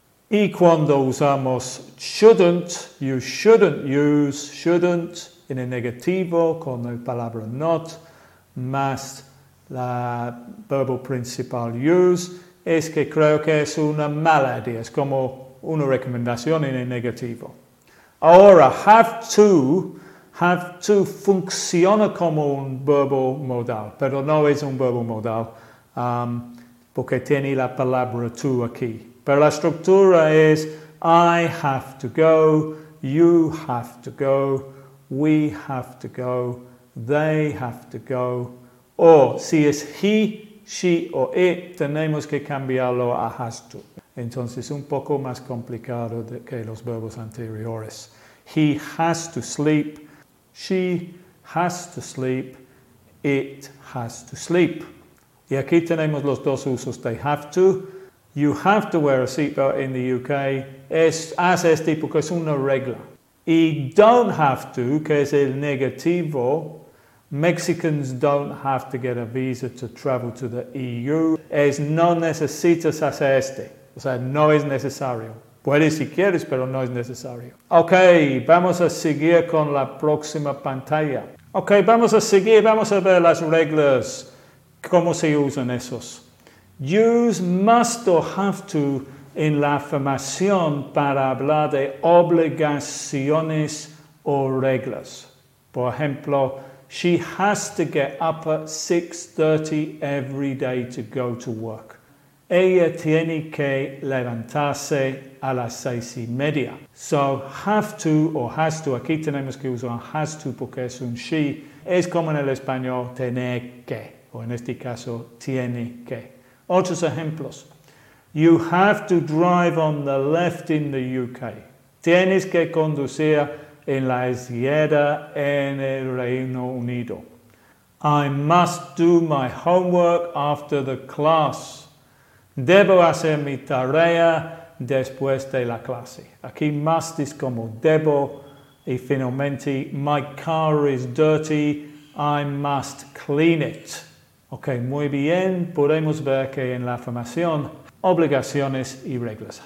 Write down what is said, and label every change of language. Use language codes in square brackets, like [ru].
[es] Y cuando usamos shouldn't, [en] you shouldn't [es] use shouldn't en el negativo con la palabra not, más la verbo principal use, es que creo que es una mala idea. Es como una recomendación en el negativo. Ahora, have to funciona como un verbo modal, pero no es un verbo modal, porque tiene la palabra to aquí. Pero la estructura es, [en] I have to go, you have to go, we have to go, they have to go. [es] O si es he, she o it, tenemos que cambiarlo a has to. Entonces, un poco más complicado que los verbos anteriores. [en] He has to sleep. She has to sleep. It has to sleep. [es] Y aquí tenemos los dos usos de have to. [en] You have to wear a seatbelt in the UK. [es] Haz este porque es una regla. Y don't have to, que es el negativo. [en] Mexicans don't have to get a visa to travel to the EU. [es] Es no necesitas hacer este. O sea, no es necesario. Puedes si quieres, pero no es necesario. Ok, vamos a seguir con la próxima pantalla. Ok, vamos a seguir, vamos a ver las reglas. ¿Cómo se usan esos? [en] Use must or have to [es] en la afirmación para hablar de obligaciones o reglas. Por ejemplo, [en] she has to get up at 6:30 every day to go to work. [es] Ella tiene que levantarse a las 6:30. So, have to o has to, aquí tenemos que usar has to porque es un she, es como en el español, tener que, o en este caso, tiene que. Otros ejemplos. [en] You have to drive on the left in the UK. [es] Tienes que conducir en la izquierda en el Reino Unido. [en] I must do my homework after the class. [es] Debo hacer mi tarea después de la clase. Aquí must es como debo. Y finalmente, [en] my car is dirty. I must clean it. [es] Ok, muy bien. Podemos ver que en la afirmación, obligaciones y reglas.